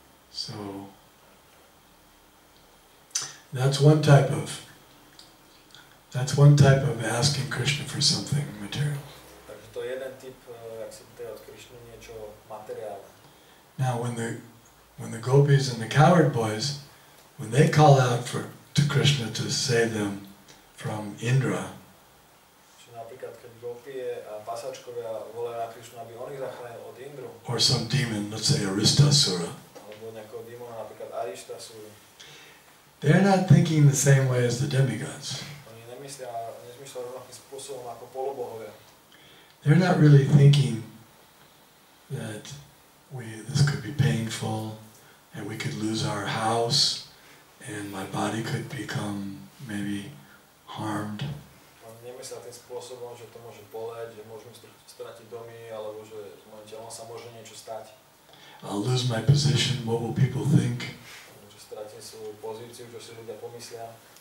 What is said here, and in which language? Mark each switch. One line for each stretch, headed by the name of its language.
English: So, that's one type of asking Krishna for something material.
Slovak: Takže to je jeden typ, ak si pýtaj od Krishna niečo materiálne.
English: Now when the gopis and the coward boys, when they call out to Krishna to save them from Indra.
Slovak: Čiže napríklad keď gopie a pasačkovia volajú na Krishna, aby on ich zachránil od Indru.
English: Or some demon, let's say Aristasura.
Slovak: Alebo nejakého démona, napríklad Ishta Surya.
English: They're not thinking the same way as the demigods.
Slovak: Oni nemyslia rovnakým spôsobom ako polobohovia.
English: They're not really thinking that this could be painful and we could lose our house and my body could become maybe harmed.
Slovak: Oni nemyslia tým spôsobom, že to môže boleť, že môžem stratiť domy, alebo že moje telo sa môže niečo stať.
English: I'll lose my position, what will people think?
Slovak: Stratím svoju pozíciu, čo si ľudia pomyslia.